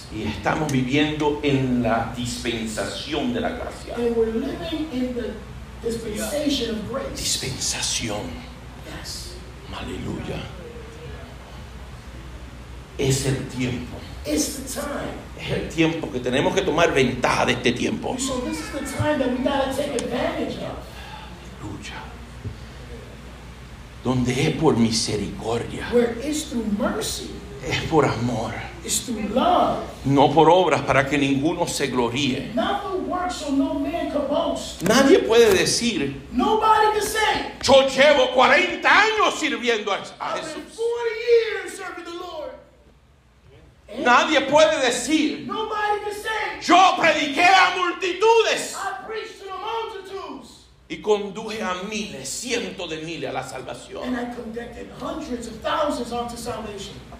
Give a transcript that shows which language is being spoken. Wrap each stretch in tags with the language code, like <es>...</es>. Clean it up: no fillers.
<es>Y estamos viviendo en la dispensación de la gracia.</es> <en>And we're living in the dispensation of grace.</en> <es>Dispensación.</es> <en>Yes.</en> <es>Aleluya. Es el tiempo.</es> <en>It's the time.</en> <es>Es el tiempo que tenemos que tomar ventaja de este tiempo.</es> <en>So this is the time that we gotta take advantage of.</en> <es>Aleluya. Donde es por misericordia.</es> <en>Where it's through mercy.</en> <es>Es por amor.</es> <en>It's through love.</en> <es>No por obras para que ninguno se gloríe.</es> <en>Not for works so no man can boast.</en> <es>Nadie puede decir,</es> <en>nobody can say,</en> <es>yo llevo 40 años sirviendo a Jesús.</es> <en>I've been 40 years serving the Lord.</en> <es>Nadie puede decir,</es> <en>nobody can say,</en> <es>yo prediqué a multitudes.</es> <en>I preached to the multitudes.</en> <es>Y conduje a miles, cientos de miles a la salvación.</es> <en>And I conducted hundreds of thousands onto salvation.</en>